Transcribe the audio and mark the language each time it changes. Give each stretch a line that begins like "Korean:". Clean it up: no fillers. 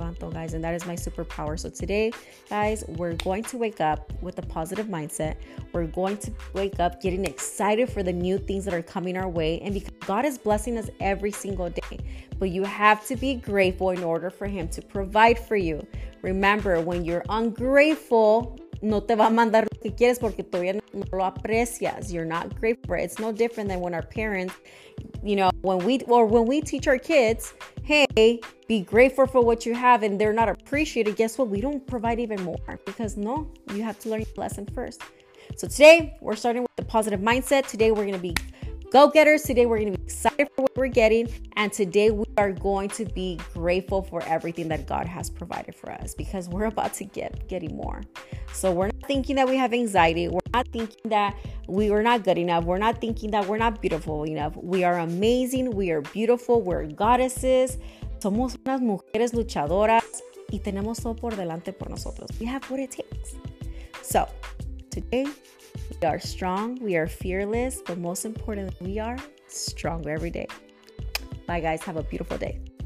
English: Guys, and that is my superpower. So today, guys, we're going to wake up with a positive mindset. We're going to wake up getting excited for the new things that are coming our way, and because God is blessing us every single day. But you have to be grateful in order for him to provide for you. Remember, when you're ungrateful,
Spanish: no te va a mandar lo que quieres porque todavía no lo aprecias.
English: You're not grateful for it. It's no different than when our parents, you know, when we teach our kids, hey, be grateful for what you have, and they're not appreciated, guess what? We don't provide even more, because no, you have to learn your lesson first. So today, we're starting with the positive mindset. Today, we're going to be go-getters. Today, we're going to be excited for what we're getting. And today, we are going to be grateful for everything that God has provided for us, because we're about to getting more. So we're not thinking that we have anxiety. We're not thinking that we are not good enough. We're not thinking that we're not beautiful enough. We are amazing. We are beautiful. We're goddesses.
Spanish: Somos unas mujeres luchadoras. Y tenemos todo por delante por nosotros.
English: We have what it takes. So today, we are strong, we are fearless, but most importantly, we are stronger every day. Bye, guys. Have a beautiful day.